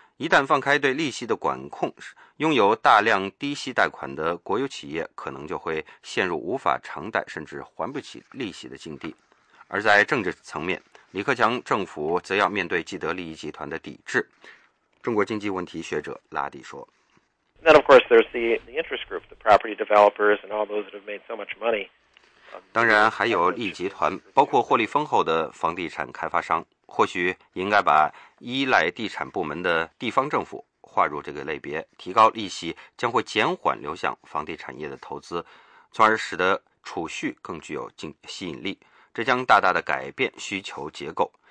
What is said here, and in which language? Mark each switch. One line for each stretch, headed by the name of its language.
Chinese: 一旦放开对利息的管控，拥有大量低息贷款的国有企业可能就会陷入无法偿贷甚至还不起利息的境地。而在政治层面，李克强政府则要面对既得利益集团的抵制。中国经济问题学者拉迪说，
English: Then of course there's the interest group, the property developers and all those that have made so much money.
Chinese: 当然还有利益集团，包括获利丰厚的房地产开发商，或许应该把依赖地产部门的地方政府划入这个类别，提高利息将会减缓流向房地产业的投资，从而使得储蓄更具有吸引力，这将大大的改变需求结构。